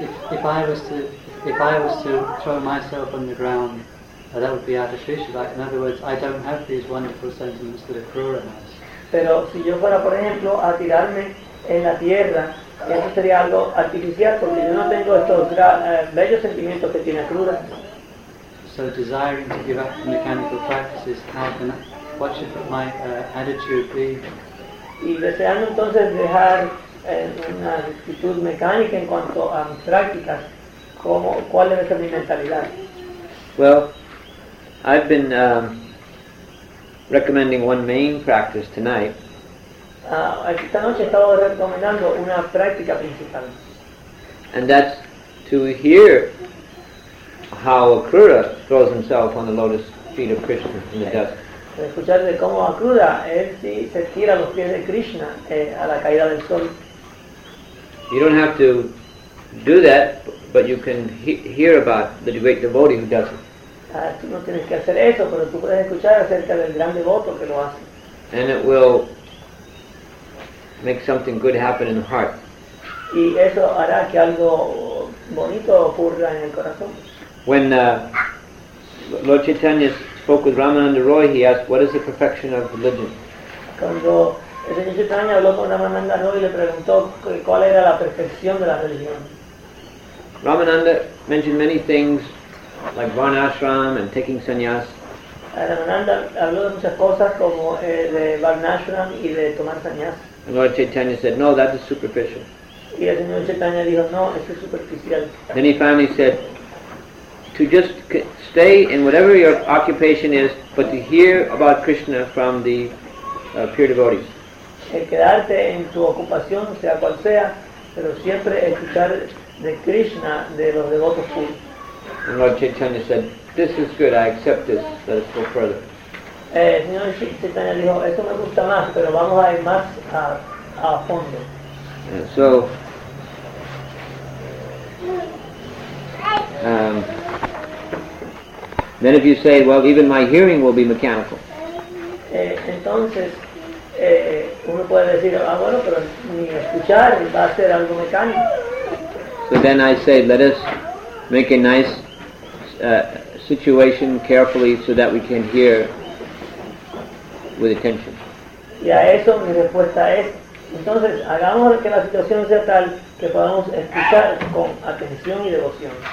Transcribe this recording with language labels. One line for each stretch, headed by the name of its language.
English: If I was to throw myself on the ground, that would be artificial. In other words, I don't have these wonderful sentiments that Akrura has.
Spanish: Pero si yo fuera, por ejemplo, a tirarme en la tierra, eso sería algo artificial, porque yo no tengo estos bellos sentimientos que tiene Akrura.
English: So desiring to give up the mechanical practices, what should my attitude be?
Spanish: Y deseando entonces dejar una actitud mecánica en cuanto a mis prácticas, ¿cuál debe ser mi mentalidad?
English: Well, I've been recommending one main practice tonight.
Spanish: Esta noche estaba recomendando una práctica principal.
English: And that's to hear how Akrura throws himself on the lotus feet of Krishna in the dust.
Spanish: Escuchar de cómo Akrura él sí se tira a los pies de Krishna a la caída del sol.
English: You don't have to do that, but you can hear about the great devotee who does it.
Spanish: Tú no tienes que hacer eso, pero tú puedes escuchar acerca del gran devoto que lo hace.
English: And it will make something good happen in the heart.
Spanish: Y eso hará que algo bonito ocurra en el corazón.
English: When Lord Chaitanya spoke with Ramananda Roy, he asked, what is the perfection of religion?
Spanish: Cuando el señor Chaitanya habló con Ramananda Roy, le preguntó cuál era la perfección de la religión.
English: Ramananda mentioned many things, like varnashram and taking sannyas.
Spanish: Ramananda habló de muchas cosas como de varnashram y de tomar sannyas.
English: And Lord Chaitanya said, no, that is superficial.
Spanish: Y el señor Chaitanya dijo, no, eso es superficial.
English: Then he finally said, to just stay in whatever your occupation is, but to hear about Krishna from the pure devotees.
Spanish: El quedarte en tu ocupación, sea cual sea, pero siempre escuchar de Krishna, de los devotos puros.
English: And Lord Chaitanya said, this is good, I accept this, let us go further.
Spanish: El señor Chaitanya dijo, esto me gusta más, pero vamos a ir más a fondo.
English: Then if you say, well, even my hearing will be mechanical.
Spanish: Entonces, uno puede decir, ah, bueno, pero mi escuchar va a ser algo mecánico.
English: So then I say, let us make a nice situation carefully so that we can hear with attention.
Spanish: Y a eso mi respuesta es, entonces, hagamos que la situación sea tal que podamos escuchar con atención y devoción.